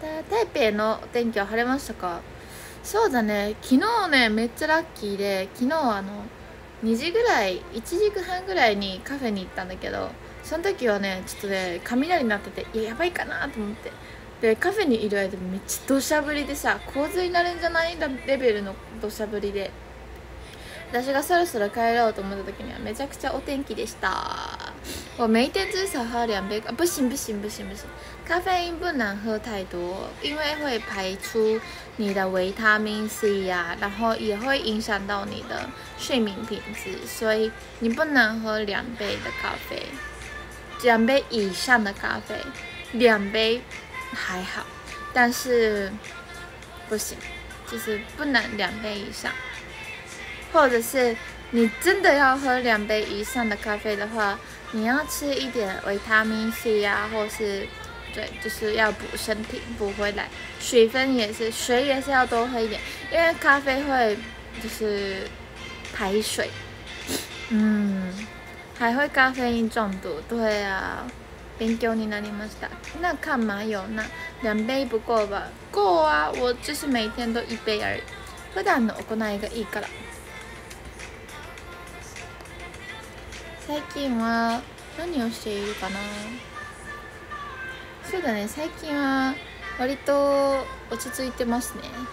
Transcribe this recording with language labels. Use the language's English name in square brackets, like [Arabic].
[Japanese] 台北の天気は晴れましたか？そうだね、昨日ねめっちゃラッキーで、昨日あの2時ぐらい1時半ぐらいにカフェに行ったんだけど、その時はねちょっとね雷になってて、いややばいかなと思って、でカフェにいる間めっちゃ土砂降りでさ、洪水になるんじゃないレベルの土砂降りで、私がそろそろ帰ろうと思った時にはめちゃくちゃお天気でした。 [Chinese] 我每天至少喝两杯，不行不行不行不行，咖啡因不能喝太多，因为会排出你的维他命 C 啊，然后也会影响到你的睡眠品质，所以你不能喝两杯的咖啡，两杯以上的咖啡，两杯还好，但是不行，就是不能两杯以上，或者是你真的要喝两杯以上的咖啡的话，你要吃一点维他命 C 啊，或是对，就是要补身体补回来。水分也是，水也是要多喝一点，因为咖啡会就是排水，嗯，还会咖啡因中毒。对啊， [Japanese] 勉強になりました。 [Chinese] 那干嘛有那两杯不够吧？够啊，我就是每天都一杯而已。 [Japanese] 普段の行いがいいから。最近は何をしているかな。そうだね、最近は割と落ち着いてますね。